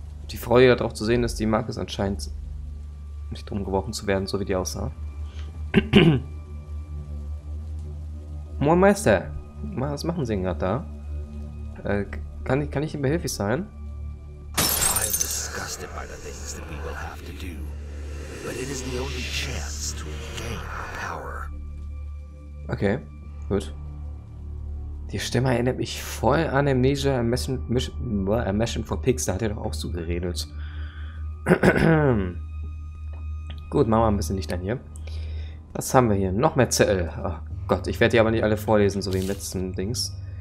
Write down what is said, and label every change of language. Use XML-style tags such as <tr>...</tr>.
<de>Die Freude darauf zu sehen ist, die mag es anscheinend nicht umgeworfen zu werden, so wie die aussah. Moin Meister, was machen Sie denn gerade da? Kann ich Ihnen behilflich sein?</de> <en>I'm disgusted by the things that we will have to do. But it is the only chance to regain power.</en> <de>Okay, gut. Die Stimme erinnert mich voll an Amnesia, Ermeschen von Pix, da hat er doch auch so geredet. Gut, machen wir ein bisschen Licht an hier. Was haben wir hier? Noch mehr Zettel. Oh Gott, ich werde die aber nicht alle vorlesen, so wie im letzten Dings.</de>